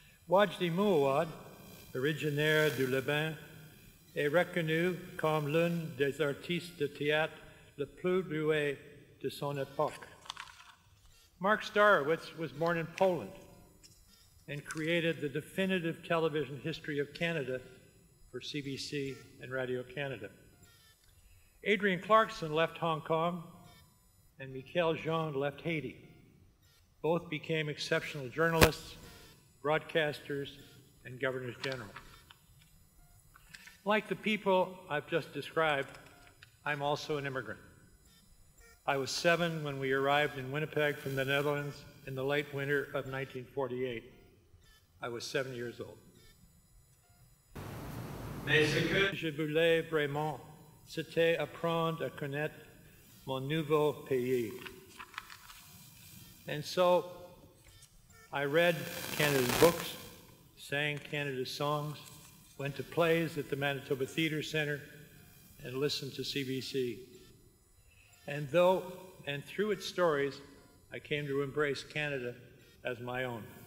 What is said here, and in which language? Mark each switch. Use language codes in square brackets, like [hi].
[fr] Wajdi Mouawad, originaire du Liban, est reconnu comme l'un des artistes de théâtre le plus doué de son époque. [en] Mark Starowitz was born in Poland and created the definitive television history of Canada for CBC and Radio Canada. Adrian Clarkson left Hong Kong, and Michael Jean left Haiti. Both became exceptional journalists, broadcasters, and governors general. Like the people I've just described, I'm also an immigrant. I was 7 when we arrived in Winnipeg from the Netherlands in the late winter of 1948. I was 7 years old. [fr] Mais ce que je voulais vraiment, c'était apprendre à connaître mon nouveau pays. [en] And so, I read Canada's books, sang Canada's songs, went to plays at the Manitoba Theatre Centre, and listened to CBC. And through its stories, I came to embrace Canada as my own.